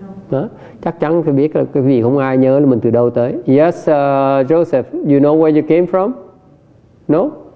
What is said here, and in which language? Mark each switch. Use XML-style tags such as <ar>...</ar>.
<en>No.</en> <vi>Chắc chắn phải biết là cái vị không ai nhớ là mình từ đâu tới.</vi> <en>Yes, Joseph, you know where you came from? No?</en>